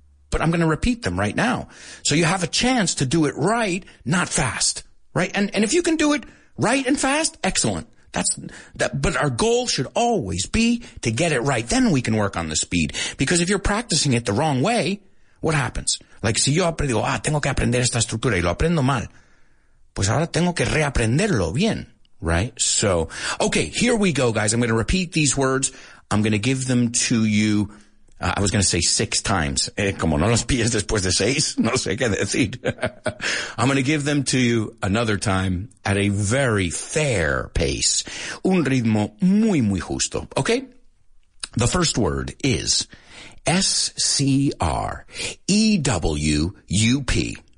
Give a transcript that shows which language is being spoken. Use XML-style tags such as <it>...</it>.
<en>But I'm going to repeat them right now. So you have a chance to do it right, not fast. Right? And if you can do it right and fast, excellent. But our goal should always be to get it right. Then we can work on the speed. Because if you're practicing it the wrong way, what happens?</en> <es>Like, si yo aprendo, ah, tengo que aprender esta estructura y lo aprendo mal. Pues ahora tengo que reaprenderlo bien.</es> <en>Right? So, okay, here we go, guys. I'm going to repeat these words. I'm going to give them to you. I was going to say six times.</en> <es>Como no los pides después de seis, no sé qué decir.</es> <en>I'm going to give them to you another time at a very fair pace.</en> <es>Un ritmo muy, muy justo.</es> <en>Okay? The first word is S-C-R-E-W-U-P.</en>